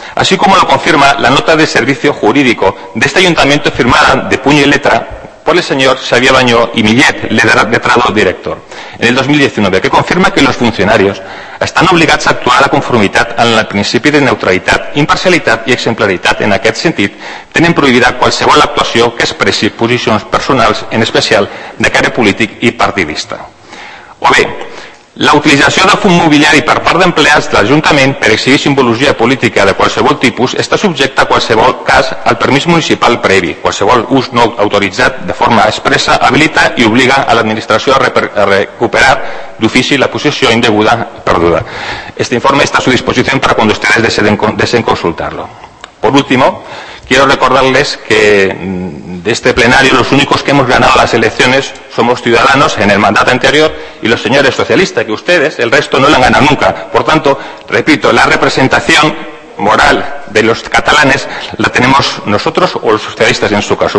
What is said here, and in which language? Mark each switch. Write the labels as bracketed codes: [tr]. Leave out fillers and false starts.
[es] Así como lo confirma la nota de servicio jurídico de este ayuntamiento firmada de puño y letra por el señor Xavier Bañó y Millet, letrado director, en el 2019, que confirma que los funcionarios están [ca] obligats a actuar a conformitat amb el principi de neutralitat, imparcialitat i exemplaritat. En aquest sentit, tenen prohibida qualsevol actuació que expressi posicions personals, en especial de caire polític i partidista. O bé, la utilització de fons mobiliari per part d'empleats de l'Ajuntament per exhibir simbologia política de qualsevol tipus està subjecte a qualsevol cas al permís municipal previ. Qualsevol ús no autoritzat de forma expressa habilita i obliga a l'administració a recuperar d'ofici la possessió indeguda perduda. [es] Este informe està a su disposició per quan ustedes deseen consultarlo. Por último, quiero recordarles que de este plenario los únicos que hemos ganado las elecciones somos Ciudadanos en el mandato anterior y los señores socialistas, que ustedes, el resto, no lo han ganado nunca. Por tanto, repito, la representación moral de los catalanes la tenemos nosotros o los socialistas en su caso.